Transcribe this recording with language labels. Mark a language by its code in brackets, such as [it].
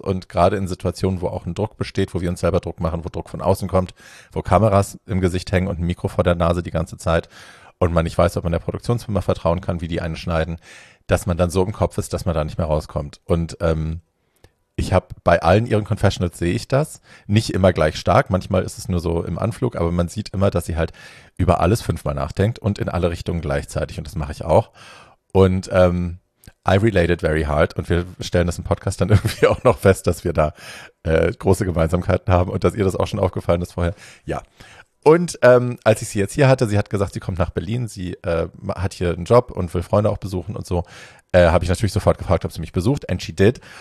[de] Und gerade in Situationen, wo auch ein Druck besteht, wo wir uns selber Druck machen, wo Druck von außen kommt, wo Kameras im Gesicht hängen und ein Mikro vor der Nase die ganze Zeit und man nicht weiß, ob man der Produktionsfirma vertrauen kann, wie die einen schneiden, dass man dann so im Kopf ist, dass man da nicht mehr rauskommt. Und Ich habe bei allen ihren Confessionals sehe ich das. Nicht immer gleich stark. Manchmal ist es nur so im Anflug, aber man sieht immer, dass sie halt über alles fünfmal nachdenkt und in alle Richtungen gleichzeitig. Und das mache ich auch. Und [en] I relate it very hard. [de] Und wir stellen das im Podcast dann irgendwie auch noch fest, dass wir da große Gemeinsamkeiten haben und dass ihr das auch schon aufgefallen ist vorher. Ja. Und als ich sie jetzt hier hatte, sie hat gesagt, sie kommt nach Berlin, sie hat hier einen Job und will Freunde auch besuchen und so, habe ich natürlich sofort gefragt, ob sie mich besucht. [en] And she did.